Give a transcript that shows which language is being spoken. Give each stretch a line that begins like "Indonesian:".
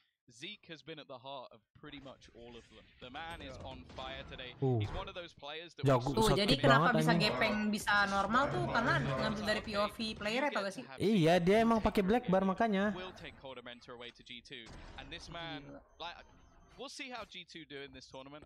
English: Zeke has been at the heart of pretty much all of them. The man is on fire today. He's one of those players that
Indonesian: jadi kenapa bisa gepeng bisa normal tuh karena ngambil dari POV player atau enggak sih? Iya, dia emang pakai black bar makanya.
English: We'll take Coder Mentor away to G2 and this man like we'll see how G2 do in this tournament.